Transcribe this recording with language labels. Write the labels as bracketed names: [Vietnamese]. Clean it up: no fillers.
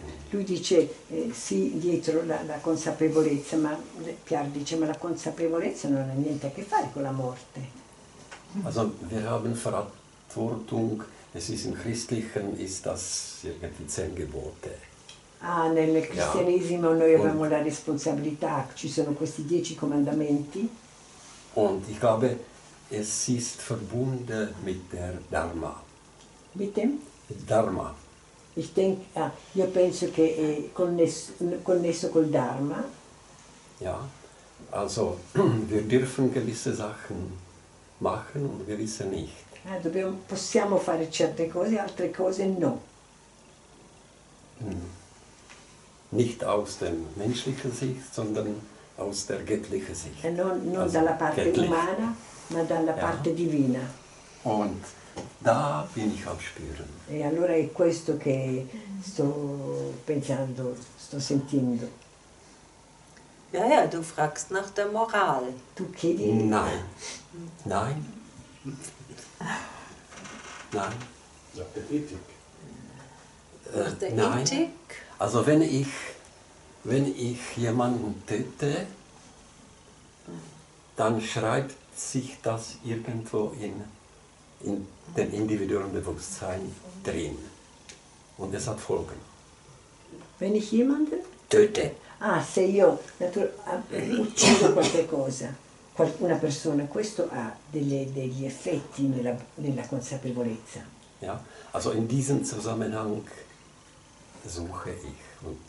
[Italian] Lui dice, sì, dietro la consapevolezza, ma Piar dice, ma la consapevolezza non ha niente a che fare con la morte. [German] Also, wir haben Verantwortung, es ist im Christlichen, ist das irgendwie 10 Gebote. [Italian] Ah, nel cristianesimo ja. Noi avevamo la responsabilità, ci sono questi 10 comandamenti. [German] Und ich glaube, es ist verbunden mit der Dharma. Mit dem? Mit Dharma. Ich denke, [Italian] io penso che è connesso col Dharma. [German] Ja, also wir dürfen gewisse Sachen machen und gewisse nicht. [Italian] Ah, possiamo fare certe cose, altre cose no. [German] Nicht aus dem menschlichen Sicht, sondern aus der göttlichen Sicht. [Italian] Non also dalla parte göttlich. Umana, ma dalla parte divina. [German] Und da bin ich am spüren. [Italian] E allora è questo che sto pensando, sto sentendo. [German] Ja, ja, du fragst nach der Moral. [Italian] Tu chiedi? [German] Nein. Nein. Nein. Nach der Ethik. Nach der Ethik? Also wenn ich jemanden töte, dann schreibt sich das irgendwo in dem individuellen Bewusstsein drin. Und es hat Folgen. Wenn ich jemanden töte. [Italian] Ah, se io uccido qualche cosa, una persona, questo ha degli effetti nella consapevolezza. [German] Ja, also in diesem Zusammenhang suche ich.